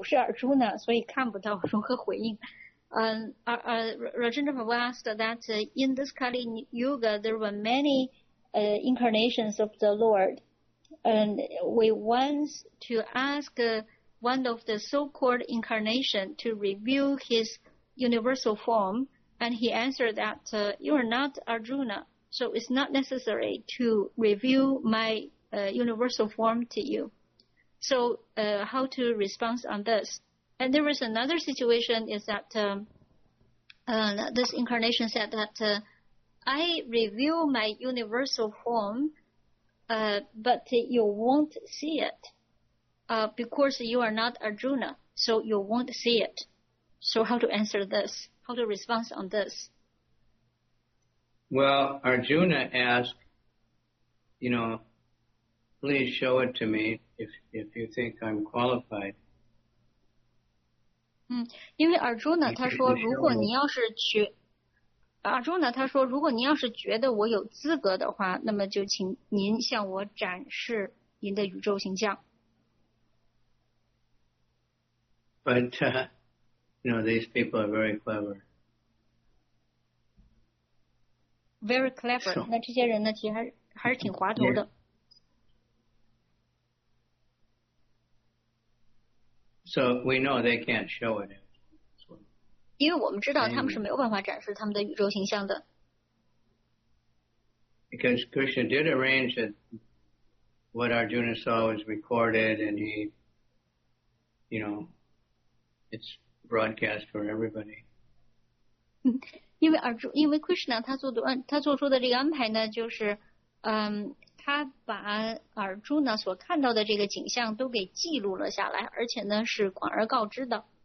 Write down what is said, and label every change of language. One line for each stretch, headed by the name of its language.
Chinese: 当今年代神的化身可真不少。我们曾请一位化身展示宇宙形体时，他回答说：“他回答说你不是尔朱呢，没必要向你展示。”如何回应？另一种情况中说：“我展示了宇宙形体。”我说没看到。回答说：“因为你不是尔朱呢，所以看不到，如何回应？”
English: Rajendra Prabhu asked that in this Kali Yuga, there were many incarnations of the Lord. And we want to ask one of the so-called incarnation to reveal his universal form. And he answered that you are not Arjuna, so it's not necessary to reveal my universal form to you. So how to respond on this? And there was another situation is that this incarnation said that I reveal my universal form, but you won't see it because you are not Arjuna, so you won't see it. So how to answer this? How to respond on this? Well, Arjuna asked, you know, please show it to me if you think I'm qualified.
Chinese: 因为尔朱呢，他说，如果您要是觉得我有资格的话，那么就请您向我展示您的宇宙形象。
English: But you know these people are very clever. Very clever. So,
Chinese: 那这些人呢，其实还是挺滑头的。
English: Yeah. So we know they can't show it.
Chinese: 因为我们知道他们是没有办法展示他们的宇宙形象的。
English: Because Krishna did arrange that what Arjuna saw was recorded and he, you know, it's broadcast for everybody.
Chinese: 因为 Krishna 他做出的这个安排呢, 就是, 他把 Arjuna 所看到的这个景象都给记录了下来, 而且呢, 是广而告之的。